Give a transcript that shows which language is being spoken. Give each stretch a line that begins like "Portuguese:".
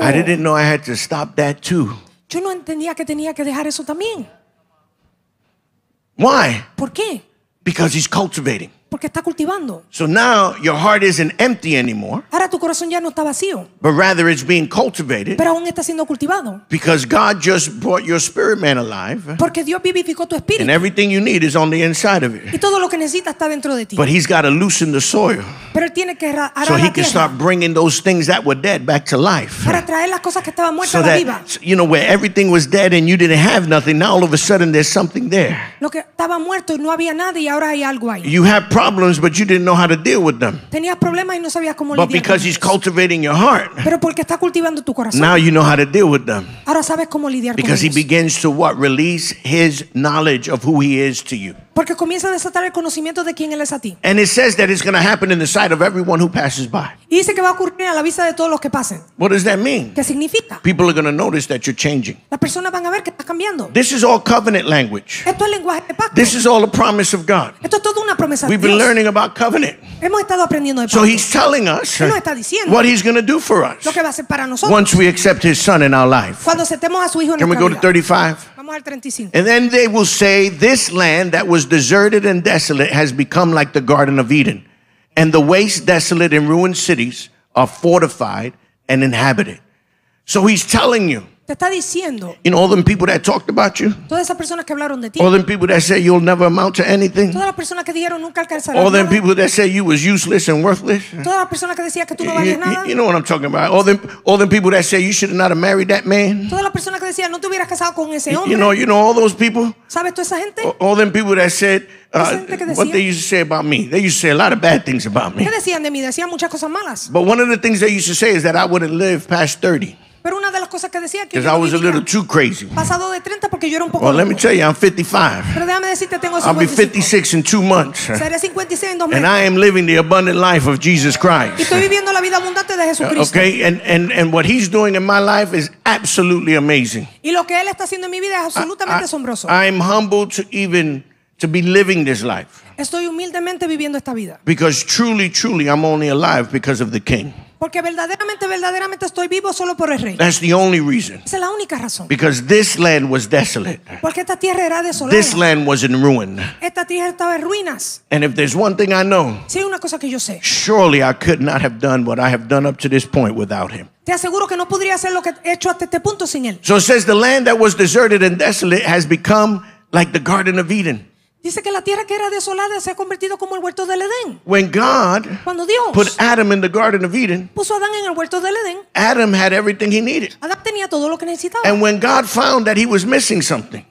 English: I didn't know I had to stop that too.
Spanish: Yo no entendía que tenía que dejar eso también.
English: Why?
Spanish: ¿Por qué?
English: Because he's cultivating.
Spanish: Porque está cultivando.
English: So now your heart isn't empty anymore.
Spanish: Ahora tu corazón ya no está vacío.
English: But rather it's being cultivated.
Spanish: Pero aún está siendo cultivado.
English: Because God just brought your spirit man alive.
Spanish: Porque Dios vivificó tu espíritu.
English: And everything you need is on the inside of you.
Spanish: Y todo lo que necesitas está dentro de ti.
English: But he's got to loosen the soil.
Spanish: Pero tiene que arar la tierra.
English: So he can start bringing those things that were dead back to life.
Spanish: Para traer las cosas que estaban muertas a la vida.
English: You know where everything was dead and you didn't have nothing. Now all of a sudden there's something there.
Spanish: Lo que estaba muerto no había nada y ahora hay algo ahí.
English: You have problems, but you didn't know how to deal with them.
Spanish: Tenías problemas y no sabías cómo lidiar.
English: But because he's cultivating your heart.
Spanish: Pero porque está cultivando tu corazón.
English: Now you know how to deal with them.
Spanish: Ahora sabes cómo lidiar con ellos.
English: Because he begins to what? Release his knowledge of who he is to you.
Spanish: Porque comienza a desatar el conocimiento de quién él es a ti.
English: And it says that it's going to happen in the sight of everyone who passes by.
Spanish: Y dice que va a ocurrir a la vista de todos los que pasen.
English: What does that mean?
Spanish: ¿Qué significa?
English: People are going to notice that you're changing.
Spanish: Las personas van a ver que estás cambiando.
English: This is all covenant language.
Spanish: Esto es lenguaje de pacto.
English: This is all a promise of God.
Spanish: Esto es todo una promesa de Dios.
English: We've been learning about covenant.
Spanish: Hemos estado aprendiendo de pacto.
English: So he's telling us what he's going to do for us.
Spanish: Lo que va a hacer para nosotros.
English: Once we accept his son in our life.
Spanish: Cuando aceptemos a su hijo en nuestra vida.
English: Can we go to 35?
Spanish: Vamos al 35.
English: And then they will say, this land that was deserted and desolate has become like the Garden of Eden, and the waste, desolate and ruined cities are fortified and inhabited. So he's telling you.
Spanish: Te está diciendo.
English: In all them people that talked about you.
Spanish: Todas esas personas que hablaron de ti.
English: All them people that said you'll never amount to anything.
Spanish: Todas las personas que dijeron nunca alcanzarás nada.
English: All them people that said you was useless and worthless.
Spanish: Todas las personas que decían que tú no valías nada.
English: You know what I'm talking about? All them people that said you should have not have married that man.
Spanish: Todas las personas que decían no te hubieras casado con ese hombre.
English: You know all those people.
Spanish: ¿Sabes tú esa gente?
English: All them people that said. What they used to say about me. They used to say a lot of bad things about me.
Spanish: ¿Qué decían de mí? Decían muchas cosas malas.
English: But one of the things they used to say is that I wouldn't live past 30.
Spanish: Pero una de las cosas que decía que
English: I was a little too crazy.
Spanish: Pasado de 30 porque yo era un poco.
English: Well, let me tell you, I'm 55.
Spanish: Pero déjame decirte, tengo
English: 55. I'll be 56 in 2 months.
Spanish: Seré 56 en 2 meses.
English: And I am living the abundant life of Jesus Christ.
Spanish: Y estoy viviendo la vida abundante de Jesucristo.
English: Okay, and what he's doing in my life is absolutely amazing.
Spanish: Y lo que él está haciendo en mi vida es absolutamente asombroso.
English: I'm humbled to be living this life.
Spanish: Estoy humildemente viviendo esta vida.
English: Because truly, truly, I'm only alive because of the King.
Spanish: Porque verdaderamente estoy vivo solo por el rey.
English: That's the only reason.
Spanish: Esa es la única razón.
English: Because this land was desolate.
Spanish: Porque esta tierra era desolada.
English: This land was in ruin.
Spanish: Esta tierra estaba en ruinas.
English: And if there's one thing I know.
Spanish: Sí, una cosa que yo sé.
English: Surely I could not have done what I have done up to this point without him.
Spanish: Te aseguro que no podría hacer lo que he hecho hasta este punto sin él.
English: So it says the land that was deserted and desolate has become like the Garden of Eden.
Spanish: Dice que la tierra que era desolada se ha convertido como el huerto del Edén.
English: When God
Spanish: Cuando Dios
English: put Adam in the Garden of Eden,
Spanish: puso a Adán en el huerto del Edén,
English: Adam had everything he needed.
Spanish: Adán tenía todo lo que necesitaba.
English: And when God found that he was missing something,